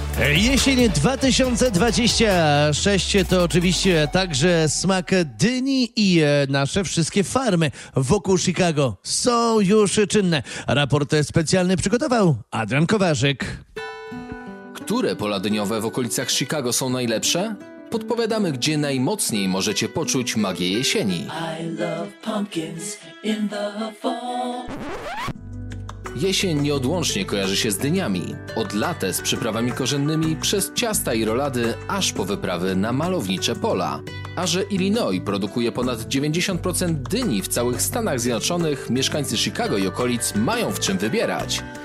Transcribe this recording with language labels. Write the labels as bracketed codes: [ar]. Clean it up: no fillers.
[pl] Jesień 2026 to oczywiście także smak dyni i nasze wszystkie farmy wokół Chicago są już czynne. Raport specjalny przygotował Adrian Kowarzyk. Które pola dyniowe w okolicach Chicago są najlepsze? Podpowiadamy, gdzie najmocniej możecie poczuć magię jesieni. [en] I love pumpkins in the fall. [pl] Jesień nieodłącznie kojarzy się z dyniami. Od lata z przyprawami korzennymi, przez ciasta i rolady, aż po wyprawy na malownicze pola. A że Illinois produkuje ponad 90% dyni w całych Stanach Zjednoczonych, mieszkańcy Chicago i okolic mają w czym wybierać.